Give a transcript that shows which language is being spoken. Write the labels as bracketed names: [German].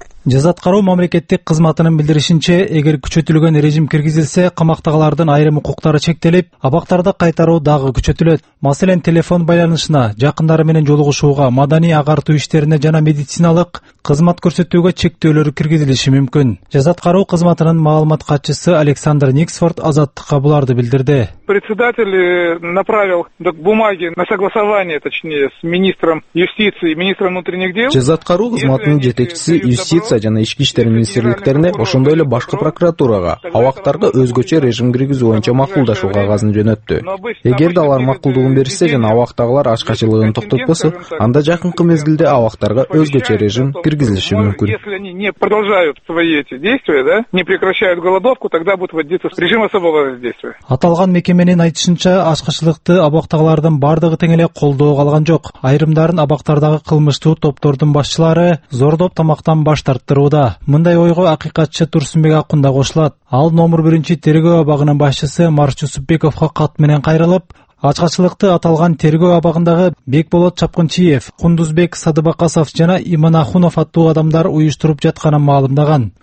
[Kyrgyz] Жаза аткаруу мамлекеттик кызматынын билдиришинче, эгер күчөтүлгөн режим киргизилсе, камактагылардын айрым укуктары чектелип, абактарды кайтаруу дагы күчөтүлөт. Маселен, телефон байланышына, жакындары менен жолугушууга, маданий агартуу иштерине жана медициналык кызмат көрсөтүүгө чектөөлөр киргизилиши мүмкүн. Жаза аткаруу кызматынын маалымат катчысы Александр Никсфорд Азаттыкка буларды билдирди. [Russian] Председатель направил бумаги на согласование, точнее, с министром юстиции, министром внутренних дел. [Kyrgyz] Жаза аткаруу кызматынын жетекчиси юстиция жана ички иштер министрликтерине, ошондой эле башкы прокуратурага абактарга өзгөчө режим киргизүү боюнча макулдашуу кагазын жөнөттү. Эгерде алар макулдугун беришсе жана абактагылар ачкачылыгын токтотпосо, анда жакынкы мезгилде абактарга өзгөчө режим киргизилиши мүмкүн. [Russian] Если они не продолжают свои эти действия, да, не прекращают голодовку, тогда будет вводиться режим особого воздействия. [Kyrgyz] Аталган мекеменин айтышынча, ачкачылыкты абактагылардын бардыгы тең эле колдоо алган жок. Айрымдарын абактардагы кылмыштуу топтордун башчылары зордоп тамактан баш тарттырууда. Мындай ойго акыйкатчы Турсунбек Акын да кошулат. Ал №1 тергөө абагынын башчысы Марч Юсупбековго кат менен кайрылып, ачкачылыкты аталган тергөө абагындагы Бекболот Чапкынчиев, Кундузбек Садыбакасов жана Иман Ахунов аттуу адамдар уюштуруп жатканын маалымдаган.